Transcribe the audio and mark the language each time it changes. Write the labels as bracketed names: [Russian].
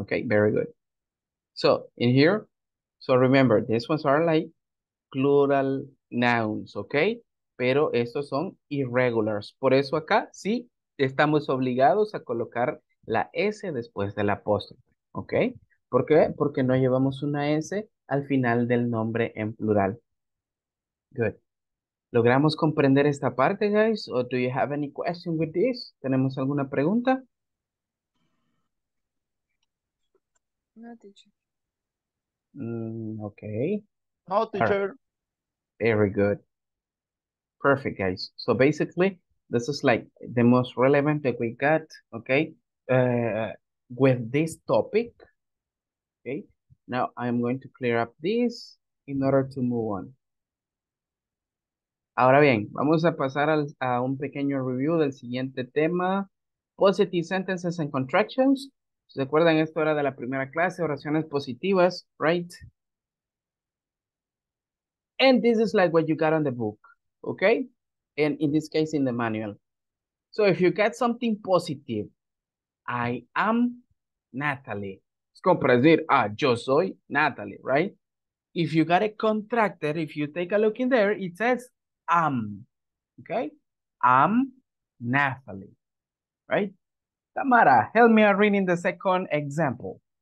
[English] Okay, very good. So, in here, so remember, these ones are like plural nouns, ¿ok? [Spanish] Pero estos son irregulars. Por eso acá sí estamos obligados a colocar la S después del apóstrofe, ¿ok? ¿Por qué? Porque no llevamos una S al final del nombre en plural. Good. ¿Logramos comprender esta parte, guys? [English] ¿O do you have any question with this? [Spanish] ¿Tenemos alguna pregunta? [English] No, teacher. Ok. No, teacher. Very good. Perfect, guys. So basically, this is like the most relevant that we got, okay, with this topic. Okay, now I'm going to clear up this in order to move on. [Spanish] Ahora bien, vamos a pasar a un pequeño review del siguiente tema. [English] Positive sentences and contractions. [Spanish] ¿Se acuerdan? Esto era de la primera clase, oraciones positivas, right? [English] And this is like what you got on the book, okay? And in this case, in the manual. So if you get something positive, I am Natalie. [Spanish] Es como para decir, ah, yo soy Natalie, right? [English] If you got it contracted, if you take a look in there, it says, I'm, okay? I'm Natalie, right? Tamara, help me out reading the second example.